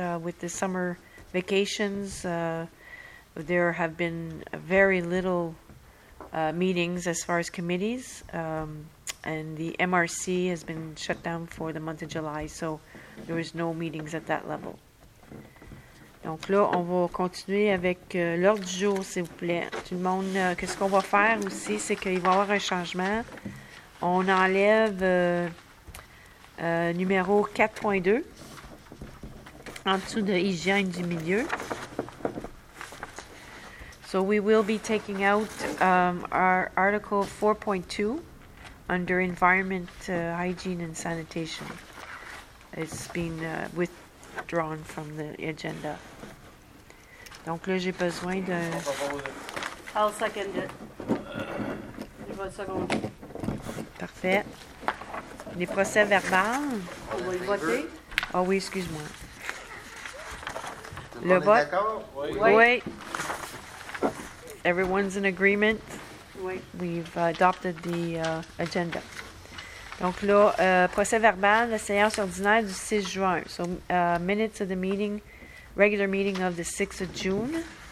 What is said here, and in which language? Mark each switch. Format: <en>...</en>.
<en>With the summer vacations, there have been very little meetings as far as committees, and the MRC has been shut down for the month of July, so there was no meetings at that level.</en> <fr>Donc là, on va continuer avec l'ordre du jour, s'il vous plaît. Tout le monde, qu'est-ce qu'on va faire aussi, c'est qu'il va y avoir un changement. On enlève... numéro 4.2, en dessous de hygiène du milieu.</fr> <en>So we will be taking out our article 4.2 under environment, hygiene and sanitation. It's been withdrawn from the agenda.</en> <fr>Donc là, j'ai besoin de...</fr> <en>I'll second it.</en> <fr>Je vais seconder. Parfait. Les procès-verbales. On va y voter. Ah oh, oui, excuse-moi. Le vote. D'accord? Oui.</fr> <en>Everyone's in agreement.</en> <fr>Oui.</fr> <en>We've adopted the agenda.</en> <fr>Donc là, procès-verbal, la séance ordinaire du 6 juin.</fr> <en>So, minutes of the meeting, regular meeting of the 6th of June.</en>